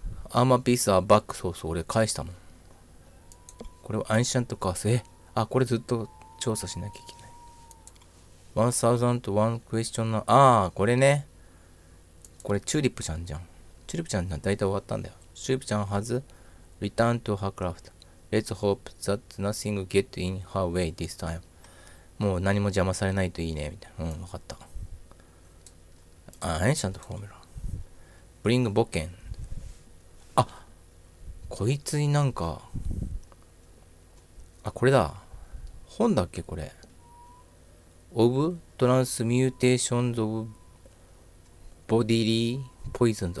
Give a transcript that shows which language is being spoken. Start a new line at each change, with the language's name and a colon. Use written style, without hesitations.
Japanese: アーマーピースはバック、そうそう、俺返したもん。これはアンシャントカース。え、あ、これずっと調査しなきゃいけない。 1001クエスチョンの、あー、これね。これチューリップちゃんじゃん。チューリップちゃんじゃん。大体終わったんだよ。チューリップちゃんはず、リターンとハークラフト。
English: Let's hope that nothing get in her way this time.
Japanese: もう何も邪魔されないといいね、みたいな。うん、わかった。あ、アンシャントフォーミュラ。
English: Bring
Japanese: ボケン。こいつになんか、あ、これだ。本だっけこれ。
English: Of Transmutations of Bodily Poisons。